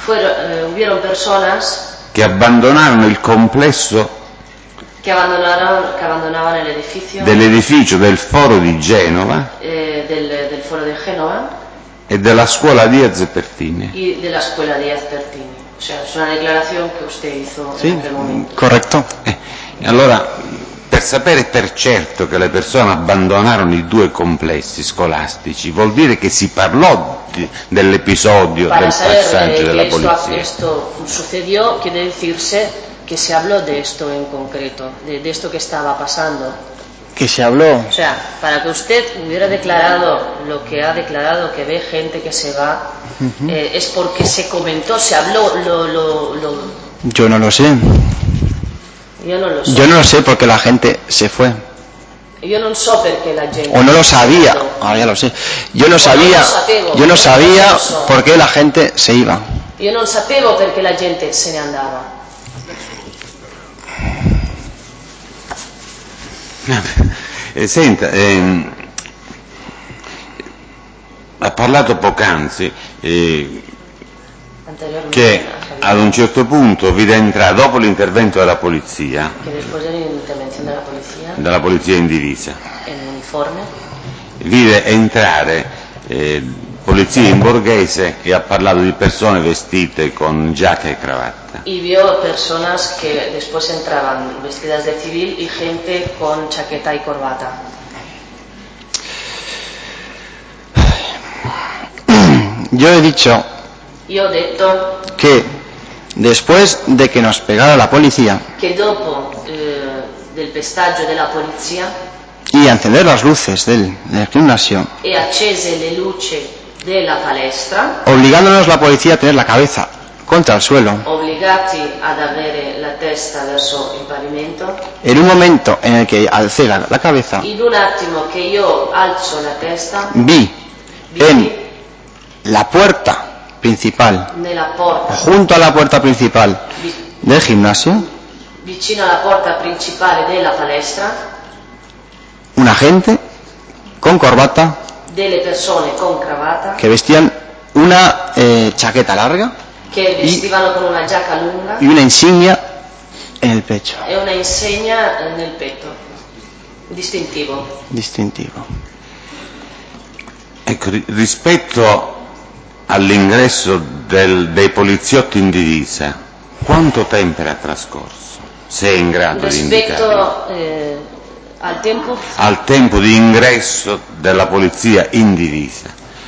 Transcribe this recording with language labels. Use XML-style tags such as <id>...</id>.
<es>Hubieron personas.</es> <it>Che abbandonarono il complesso. Che abbandonavano l'edificio. Dell'edificio del Foro di Genova. Del Foro di Genova. E della scuola Diaz Pertini. E della scuola Diaz Pertini.</it> <es>O sea, es una declaración que usted hizo sí, en aquel momento.</es> <it>Corretto. Allora. Per sapere per certo che le persone abbandonarono i due complessi scolastici vuol dire che si parlò dell'episodio</it> <es>para</es> <it>del passaggio della polizia. Questo</it> <es>succedió, quiere decirse che si habló de esto en concreto, de esto que estaba pasando. que se habló. O sea, para que usted hubiera declarado lo que ha declarado, que ve gente que se va, es porque se comentó, se habló, lo... Yo no lo sé. Yo no lo sé. Yo no lo sé porque la gente se fue.</es> <it>Yo non so perché la gente...</it> <es>O no lo sabía. Ahora ya lo sé. Yo no sabía. Yo no sabía por qué la gente se iba.</es> <it>Yo non sapevo perché la gente se ne andava. Senta, ha parlato poc'anzi che ad un certo punto vi entra dopo l'intervento della polizia, della polizia in divisa, in uniforme, vide entrare polizia in borghese e ha parlato di persone vestite con giacca e cravatta.</it> <es>Y vio personas que después entraban vestidas de civil y gente con chaqueta y corbata. Yo he dicho... Yo he dicho... Que después de que nos pegara la policía... Que después del pestaggio de la policía... Y encender las luces del gimnasio...</es> <it>Y accese le luce de la palestra...</it> <es>Obligándonos la policía a tener la cabeza... contra el suelo,</es> <it>obligati ad avere la testa verso il pavimento,</it> <es>en un momento en el que alcé la cabeza,</es> <it>in un attimo che io alzo la testa,</it> <es>vi en la puerta principal,</es> <it>nella porta,</it> <es>junto a la puerta principal del gimnasio,</es> <it>vicino alla porta principale della palestra,</it> <es>un agente con corbata,</es> <it>delle persone con cravata,</it> <es>que vestían una chaqueta larga,</es> <it>que vestivano con una giacca lunga</it> <es>y una insignia en el pecho. Es una insignia en el pecho. Distintivo.</es> <it>Distintivo. Ecco, rispetto all'ingresso dei poliziotti in divisa, quanto tempo era trascorso? Se è in grado rispetto di indicare. Al tempo di ingresso della polizia in divisa.</it>